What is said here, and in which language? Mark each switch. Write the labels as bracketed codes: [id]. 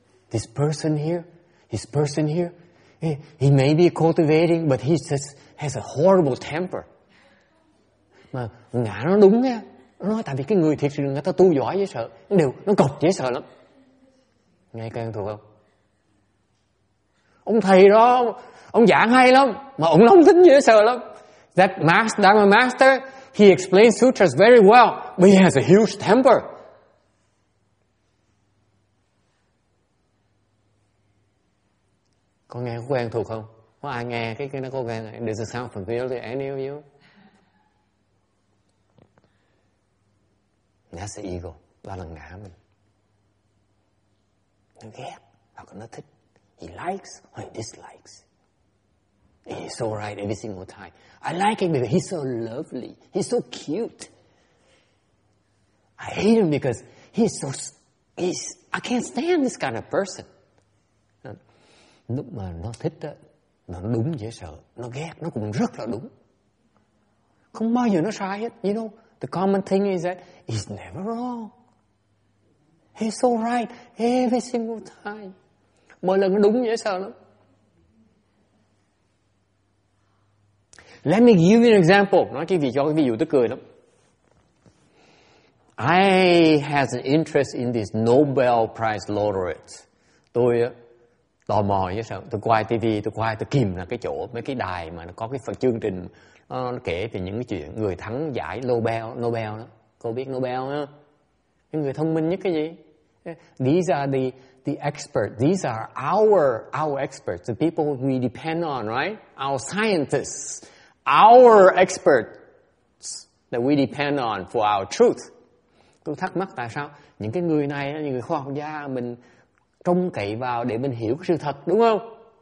[en] This person here, he may be cultivating, but he just has a horrible temper. [vi] Mà ngã nó đúng nha. Nó nói tại vì cái người thiệt sự người ta tu giỏi dễ sợ. Điều nó cực dễ sợ lắm. Nghe quen thuộc không? Ông thầy đó, ông giảng hay lắm. Mà ông nóng tính dễ sợ lắm. [en] That master, Dharma master, he explains sutras very well, but he has a huge temper. [vi] Có nghe có quen thuộc không? Có ai nghe cái nó có quen? [en] Does it sound familiar to any of you? That's the ego. [vi] Đó là ngã mình. Nó ghét hoặc nó thích. [en] He likes or he dislikes. And he's so right every single time. I like him because he's so lovely. He's so cute. I hate him because I can't stand this kind of person. [vi] Lúc mà nó thích đó, nó đúng dễ sợ. Nó ghét, nó cũng rất là đúng. Không bao giờ nó sai hết. [en] You know, the common thing is that he's never wrong. He's so right every single time. [vi] Mỗi lần nó đúng dễ sợ lắm. [en] Let me give you an example. [vi] Nói cái ví dụ tức cười lắm. [en] I has an interest in this Nobel Prize laureate. [vi] Tôi tò mò như sao? Tôi quay TV, tôi kìm là cái chỗ mấy cái đài mà nó có cái phần chương trình nó kể về những cái chuyện người thắng giải Nobel đó. Cô biết Nobel đó? Cái người thông minh nhất cái gì? [en] These are the experts. These are our experts. The people we depend on, right? Our scientists. Our experts that we depend on for our truth. [vi] Tôi thắc mắc tại sao những cái người này, những người khoa học gia mình trông cậy vào để mình hiểu cái sự thật, đúng không?